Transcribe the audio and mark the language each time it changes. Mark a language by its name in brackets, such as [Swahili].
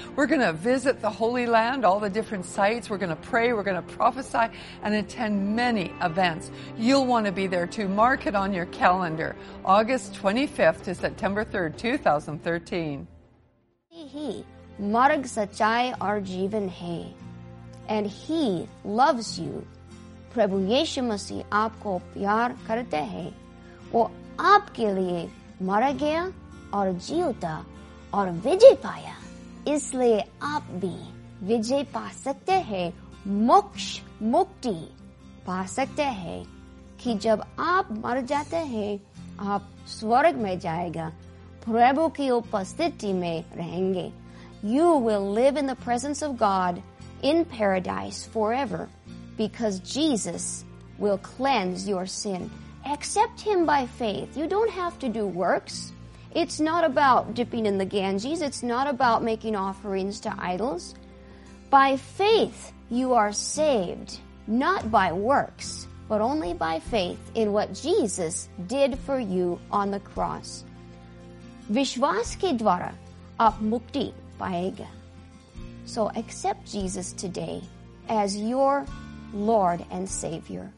[English] We're going to visit the Holy Land, all the different sites. We're going to pray, we're going to prophesy, and attend many events. You'll want to be there too. Mark it on your calendar. August 25th to September 3rd, 2013. [Hindi] मार्ग सचाई अर्जीवन है. [English] And he loves you. [Hindi] प्रभु येशु मसीह आपको प्यार करते है. वो आपके लिए मारा गया और जीता और विजय पाया. इसलिए आप भी विजय पा सकते है. मोक्ष मुक्ति पा सकते है. कि जब आप मर जाते है, आप स्वर्ग में जायेगा. प्रभु की उपस्थिति में रहेंगे. [English] You will live in the presence of God in paradise forever, because Jesus will cleanse your sin. Accept him by faith. You don't have to do works. It's not about dipping in the Ganges. It's not about making offerings to idols. By faith, you are saved, not by works, but only by faith in what Jesus did for you on the cross. [Hindi] विश्वास के द्वारा आप मुक्ति पाएगा. [English] So accept Jesus today as your Lord and Savior.